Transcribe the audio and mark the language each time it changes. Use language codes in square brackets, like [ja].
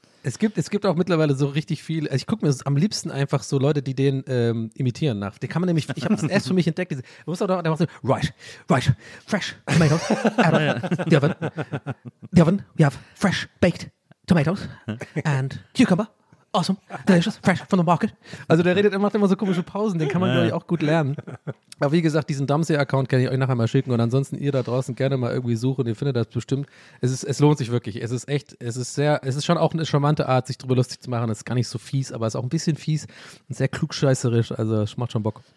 [de] Es gibt auch mittlerweile so richtig viel, also ich gucke mir am liebsten einfach so Leute, die den imitieren nach. Den kann man nämlich, ich habe das erst für mich entdeckt, du musst auch, der macht so, [en] right, fresh, tomatoes, out of the oven, we have fresh baked tomatoes and cucumber. Awesome, delicious, fresh from the market. [de] Also der redet, er macht immer so komische Pausen, den kann man, glaube ich, auch gut lernen. Aber wie gesagt, diesen Dumpsy-Account kann ich euch nachher mal schicken und ansonsten ihr da draußen gerne mal irgendwie suchen, ihr findet das bestimmt. Es lohnt sich wirklich, es ist echt, es ist schon auch eine charmante Art, sich drüber lustig zu machen, es ist gar nicht so fies, aber es ist auch ein bisschen fies und sehr klugscheißerisch, also es macht schon Bock.